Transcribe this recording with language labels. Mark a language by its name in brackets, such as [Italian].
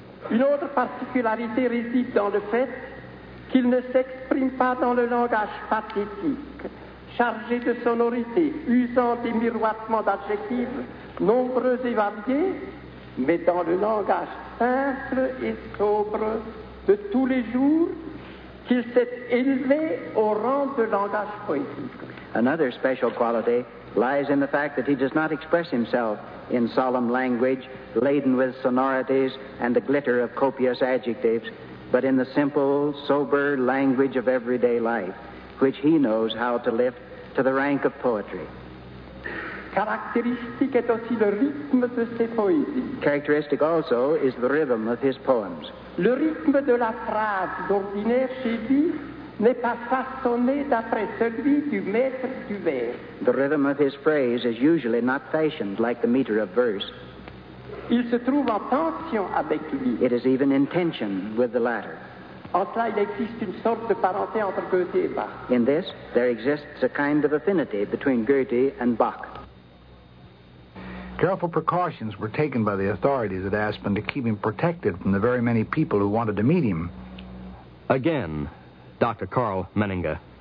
[French] Une autre particularité réside dans le fait qu'il ne s'exprime pas dans le langage pathétique, chargé de sonorité, usant des miroitements d'adjectifs nombreux et variés, mais dans le langage simple et sobre de tous les jours, qu'il s'est élevé au rang de langage poétique. [English] Another special quality lies in the fact that he does not express himself in solemn language, laden with sonorities and the glitter of copious adjectives, but in the simple, sober language of everyday life, which he knows how to lift to the rank of poetry. [French] Characteristic est aussi le rythme de ses poésies. [English] Characteristic also is the rhythm of his poems. [French] Le rythme de la phrase d'ordinaire chez lui n'est pas façonné d'après celui du maître du vers. [English] The rhythm of his phrase is usually not fashioned like the meter of verse. [French] Il se trouve en tension avec lui. [English] It is even in tension with the latter. [French] En cela, il existe une sorte de parenté entre Goethe et Bach. [English] In this, there exists a kind of affinity between Goethe and Bach. Careful precautions were taken by the authorities at Aspen to keep him protected from the very many people who wanted to meet him. Again, Dr. Carl Menninger.